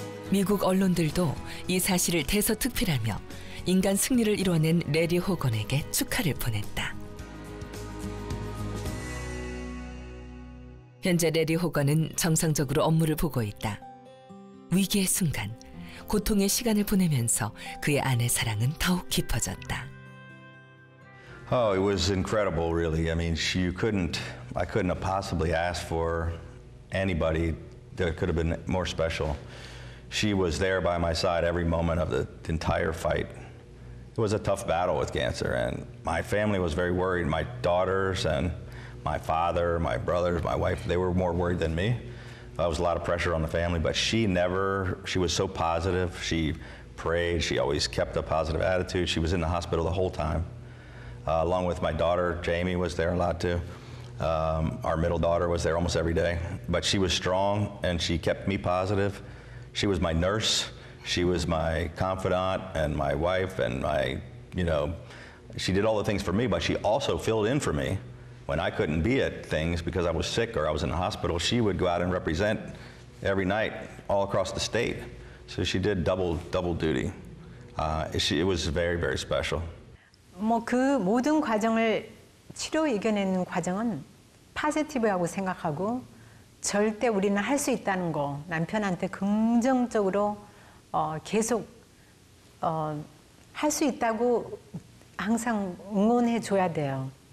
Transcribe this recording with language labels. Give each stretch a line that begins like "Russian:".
Korean: 미국 언론들도 이 사실을 대서특필하며 인간 승리를 이뤄낸 레리 호건에게 축하를 보냈다. 현재 레리 호건은 정상적으로 업무를 보고 있다. 위기의 순간, 고통의 시간을 보내면서 그의 아내 사랑은 더욱 깊어졌다.
English: Oh, it was incredible, really. I mean, I couldn't have possibly asked for anybody that could have been more special. She was there by my side every moment of the entire fight. It was a tough battle with cancer, and my family was very worried. My daughters and my father, my brothers, my wife, they were more worried than me. That was a lot of pressure on the family, but she was so positive. She prayed. She always kept a positive attitude. She was in the hospital the whole time, along with my daughter, Jamie, was there a lot too. Our middle daughter was there almost every day, but she was strong, and she kept me positive. She was my nurse. She was my confidant and my wife and my, you know, she did all the things for me, but she also filled in for me when I couldn't be at things because I was sick or I was in the hospital. She would go out and represent every night all across the state. So she did double duty. It was very, very special.
Korean: 뭐 그 모든 과정을 치료 이겨내는 과정은 파지티브라고 생각하고 절대 우리는 할 수 있다는 거 남편한테 긍정적으로 계속 할 수 있다고 항상 응원해 줘야 돼요.